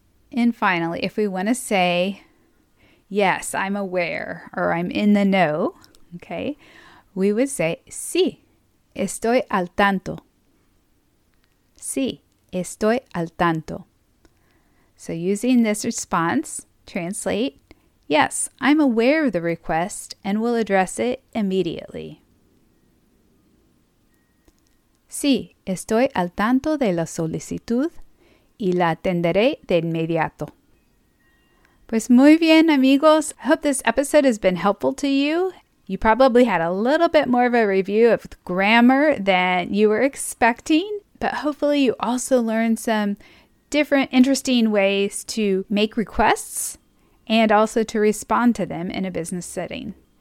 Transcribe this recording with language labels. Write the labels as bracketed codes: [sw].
[en] And finally, if we want to say, yes, I'm aware, or I'm in the know, okay, we would say, [es] sí, estoy al tanto. Sí, estoy al tanto. [en] So using this response, translate, yes, I'm aware of the request and will address it immediately. [es] Sí, estoy al tanto de la solicitud y la atenderé de inmediato. Pues muy bien, amigos. [en] I hope this episode has been helpful to you. You probably had a little bit more of a review of grammar than you were expecting, but hopefully you also learned some different interesting ways to make requests and also to respond to them in a business setting.